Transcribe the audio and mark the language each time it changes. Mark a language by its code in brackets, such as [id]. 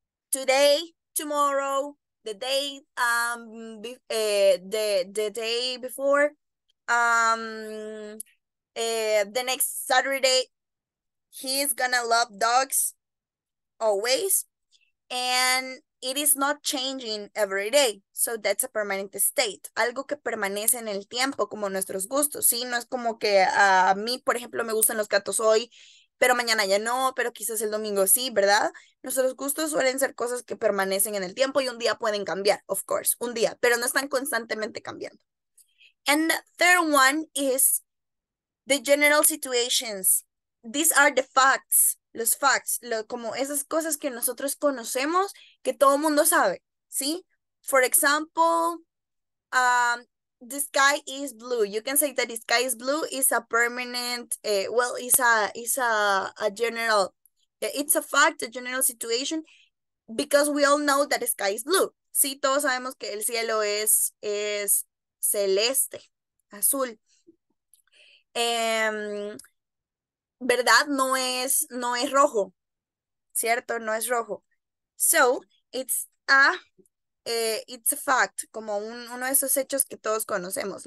[en] Today, tomorrow, the day before, the next Saturday, he's gonna love dogs always. And it is not changing every day. So that's a permanent state. [es] Algo que permanece en el tiempo, como nuestros gustos. Sí, no es como que a mí, por ejemplo, me gustan los gatos hoy, pero mañana ya no, pero quizás el domingo sí, ¿verdad? Nuestros gustos suelen ser cosas que permanecen en el tiempo y un día pueden cambiar, of course, un día, pero no están constantemente cambiando. [en] And the third one is the general situations. [es] These are the facts, los facts, como esas cosas que nosotros conocemos, que todo mundo sabe, ¿sí? [en] For example, the sky is blue. You can say that the sky is blue is a permanent, well, is a general, it's a fact, a general situation, because we all know that the sky is blue. [es] Sí, todos sabemos que el cielo es celeste, azul. ¿Verdad? No es rojo, ¿cierto? No es rojo. So, it's a fact, como uno de esos hechos que todos conocemos.